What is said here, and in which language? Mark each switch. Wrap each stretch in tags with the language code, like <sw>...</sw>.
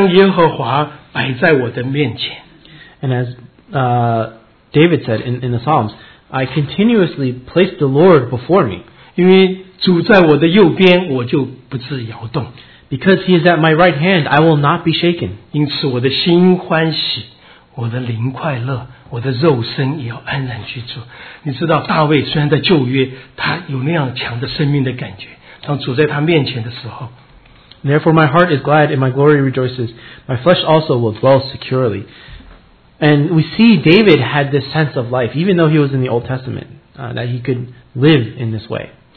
<zh>大卫说，在诗篇46篇说，我常将耶和华摆在我的面前。</zh> <en>And as David said in the Psalms, I continuously place the Lord before me.</en> <zh>因为主在我的右边，我就不致摇动。</zh> <en>Because he is at my right hand, I will not be shaken.</en> <zh>因此我的心欢喜，我的灵快乐，我的肉身也要安然居住。你知道大卫虽然在旧约，他有那样强的生命的感觉。</zh> <en>Therefore my heart is glad and my glory rejoices. My flesh also will dwell securely. And we see David had this sense of life, even though he was in the Old Testament, that he could live in this way.</en>